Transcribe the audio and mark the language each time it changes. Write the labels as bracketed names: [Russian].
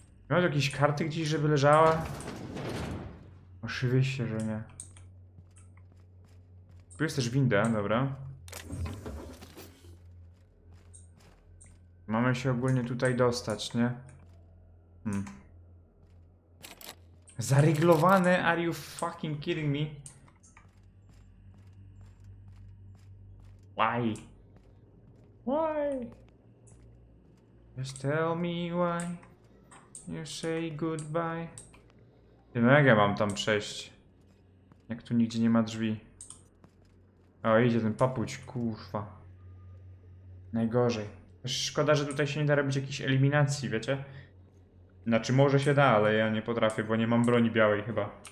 [Polish] Miałeś jakieś karty gdzieś, żeby leżała? Oczywiście, że nie. Tu jest też winda, dobra. Mamy się ogólnie tutaj dostać, nie? Hmm. Zaryglowane, [English] are you fucking kidding me? Why? Why? Just tell me why you say goodbye. [Polish] Ty, no jak ja mam tam przejść? Jak tu nigdzie nie ma drzwi. O, idzie ten papuć, kurwa. Najgorzej. Szkoda, że tutaj się nie da robić jakiejś eliminacji, wiecie? Znaczy, może się da, ale ja nie potrafię, bo nie mam broni białej chyba.